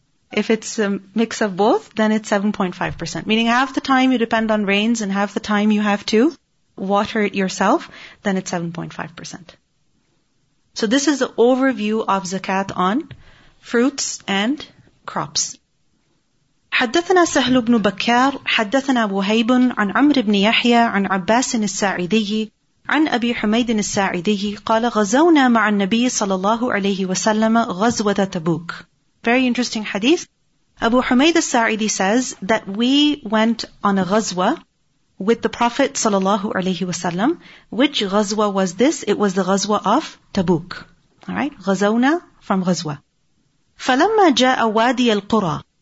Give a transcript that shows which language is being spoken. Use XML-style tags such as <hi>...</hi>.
<en>If it's a mix of both, then it's 7.5%. Meaning half the time you depend on rains and half the time you have to water it yourself, then it's 7.5%. So this is the overview of zakat on fruits and crops.</en> <ar>حدثنا سهل بن بكار حدثنا وهيب عن عمرو بن يحيى عن عباس الساعدي عن أبي حميد الساعدي قال غزونا مع النبي صلى الله عليه وسلم غزوة تبوك.</ar> <en>Very interesting hadith. Abu Humayd al-Sa'idi says that we went on a ghazwa with the Prophet sallallahu alayhi wasallam. Which ghazwa was this? It was the ghazwa of Tabuk. Alright? Ghazawna from ghazwa.</en> <ar>فَلَمَّا جَاءَ وَادِيَ الْقُرَى.</ar>